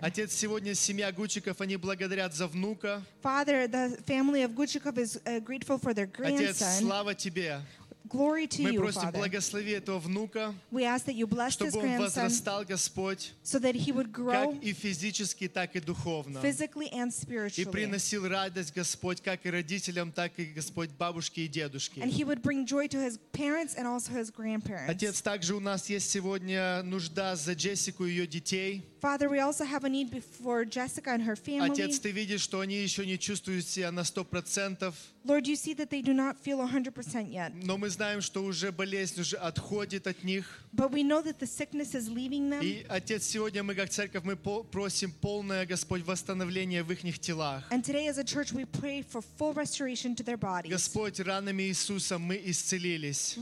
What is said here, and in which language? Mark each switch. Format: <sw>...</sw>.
<ru>Отец, сегодня семья Гучиков, они благодарят за внука.</ru> <en>Father, the family of Гучиков is grateful for their grandson.</en> <ru>Отец, слава тебе.</ru> <en>Glory to</en> <ru>Мы</ru> <en>you,</en> <ru>просим</ru> <en>Father.</en> <ru>Благослови этого внука,</ru> <en>We ask that you bless</en> <ru>чтобы</ru> <en>his grandson,</en> <ru>он возрастал, Господь,</ru> <en>so that he would grow,</en> <ru>как и физически, так и духовно,</ru> <en>physically and spiritually.</en> <ru>И приносил радость, Господь, как и родителям, так и, Господь, бабушке и дедушке.</ru> <en>And he would bring joy to his parents and also his grandparents.</en> <ru>Отец, также у нас есть сегодня нужда за Джессику и ее детей.</ru> <en>Father, we also have a need for Jessica and her family.</en> <ru>Отец, ты видишь, что они еще не чувствуют себя на 100%.</ru> <en>Lord, you see that they do not feel 100% yet.</en> <ru>Но мы знаем, что уже болезнь уже отходит от них.</ru> <en>But we know that the sickness is leaving them.</en> <ru>И, Отец, сегодня мы, как церковь, мы просим полное, Господь, восстановление в их телах.</ru> <en>And today, as a church, we pray for full restoration to their bodies.</en> <ru>Господь, ранами Иисуса мы исцелились.</ru>